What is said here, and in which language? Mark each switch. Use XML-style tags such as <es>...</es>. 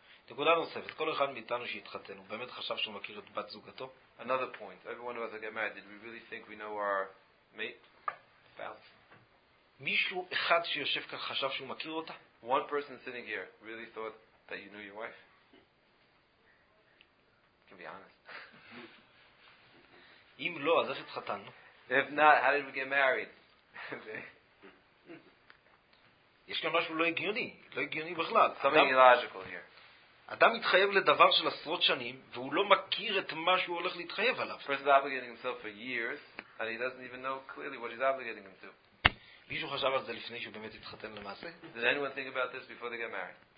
<he>נקודה נוספת, כל אחד מאיתנו שהתחתן, הוא באמת חשב שהוא מכיר את בת זוגתו?</he> <en>Another point, everyone of us that got married, did we really think we know our mate?</en> <he>מישהו אחד שיושב כאן חשב שהוא מכיר אותה?</he> <en>One person sitting here really thought that you knew your wife. Can be honest.</en> <he>אם לא, אז איך התחתנו?</he> <en>If not, how did we get married?</en> <he>יש כאן משהו לא הגיוני, לא הגיוני בכלל.</he> <en>Something illogical here.</en> <he>אדם מתחייב לדבר של עשרות שנים והוא לא מכיר את מה שהוא הולך להתחייב עליו.</he> <en>First he's obligating himself for years and he doesn't even know clearly what he's obligating him to.</en> <he>מישהו חשב על זה לפני שהוא באמת התחתן למעשה?</he> <en>Did anyone think about this before they got married?</en>